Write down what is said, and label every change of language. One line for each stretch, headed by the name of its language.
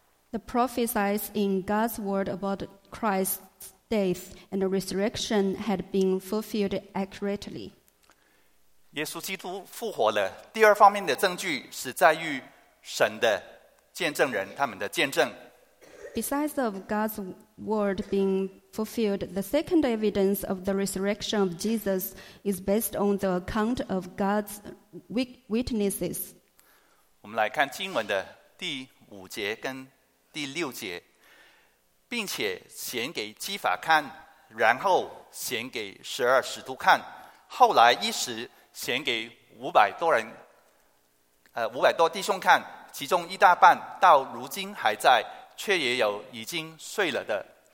English: The prophecies in God's word about Christ's death and the resurrection had been fulfilled accurately.
Chinese: 耶稣基督复活了。第二方面的证据是在于神的见证人他们的见证。
English: Besides of God's word being fulfilled, the second evidence of the resurrection of Jesus is based on the account of God's witnesses.
Chinese: 我们来看经文的第五节跟第六节，并且显给基法看，然后显给十二使徒看，后来一时显给500多弟兄看，其中一大半到如今还在，却也有已经睡了的。